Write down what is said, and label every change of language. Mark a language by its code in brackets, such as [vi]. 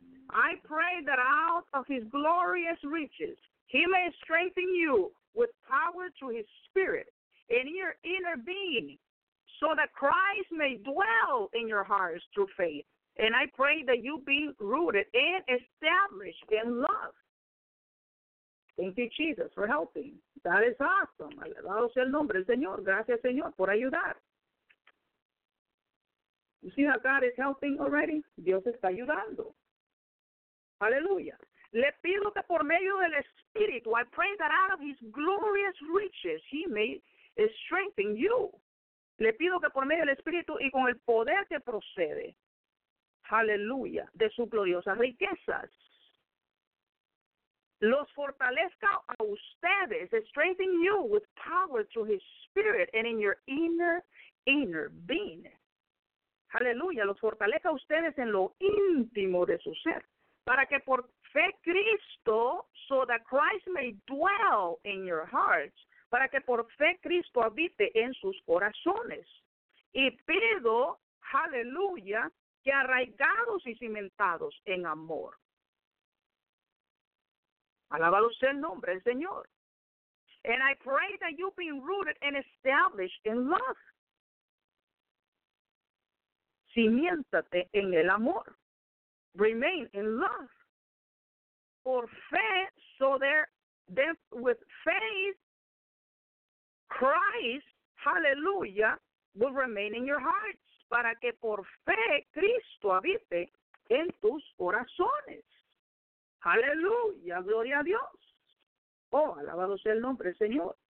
[en] I pray that out of his glorious riches, he may strengthen you with power through his spirit in your inner being, so that Christ may dwell in your hearts through faith. And I pray that you be rooted and established in love. Thank you, Jesus, for helping. That is awesome. [es] Alabado sea el nombre del Señor. Gracias, Señor, por ayudar. [en] You see how God is helping already? [es] Dios está ayudando. [en] Hallelujah. [es] Le pido que por medio del Espíritu, [en] I pray that out of his glorious riches, he may strengthen you. [es] Le pido que por medio del Espíritu y con el poder que procede, hallelujah, de sus gloriosas riquezas, los fortalezca a ustedes, [en] strengthen you with power through his spirit and in your inner being. [es] Hallelujah, los fortalezca a ustedes en lo íntimo de su ser, para que por fe Cristo, [en] so that Christ may dwell in your hearts, [es] para que por fe Cristo habite en sus corazones. Y pido, hallelujah, que arraigados y cimentados en amor. Alabado sea el nombre del Señor. [en] And I pray that you be rooted and established in love. [es] Cimiéntate en el amor. [en] Remain in love. [es] Por fe, [en] so there, with faith, Christ, hallelujah, will remain in your hearts. [es] Para que por fe, Cristo habite en tus corazones. Hallelujah, gloria a Dios. Oh, alabado sea el nombre del Señor.